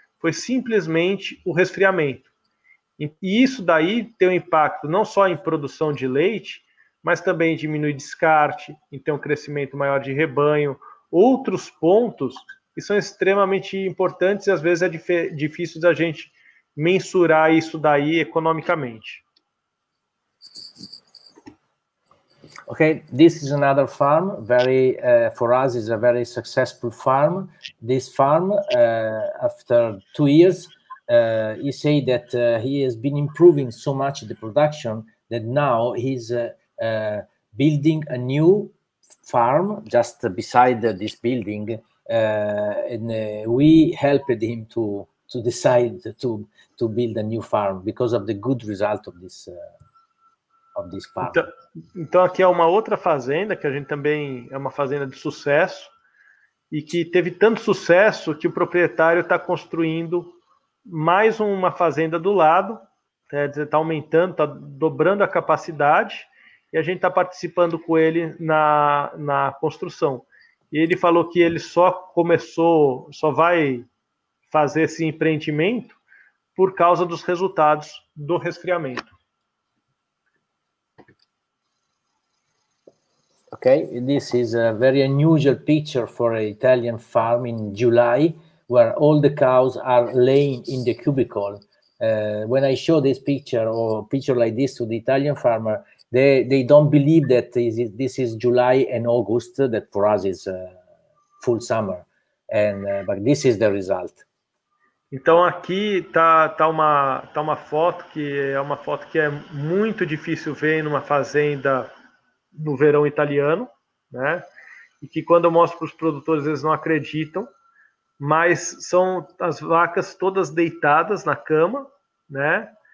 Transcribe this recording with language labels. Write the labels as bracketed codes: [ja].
[pt] Foi simplesmente o resfriamento. E isso daí tem um impacto não só em produção de leite, mas também diminui descarte, então um crescimento maior de rebanho, outros pontos que são extremamente importantes e às vezes é difícil da gente mensurar isso daí economicamente. [en] Okay, this is another farm, for us is a very successful farm. This farm, after 2 years, he say that he has been improving so much the production that now he's building a new farm just beside this building, and we helped him to decide to build a new farm because of the good result of this farm. [pt] Então aqui é uma outra fazenda que a gente também é uma fazenda de sucesso e que teve tanto sucesso que o proprietário está construindo mais uma fazenda do lado, está aumentando, está dobrando a capacidade. E a gente está participando com ele na construção. E ele falou que ele só vai fazer esse empreendimento por causa dos resultados do resfriamento. [en] Ok, this is a very unusual picture for an Italian farm in July, where all the cows are laying in the cubicle. When I show this picture or picture like this to the Italian farmer, they don't believe that this is July and August, that for us is full summer, but this is the result. [pt] Então aqui tá uma foto que é uma foto que é muito difícil ver numa fazenda no verão italiano, né? E que quando eu mostro para os produtores eles não acreditam, mas são as vacas todas deitadas na cama, né?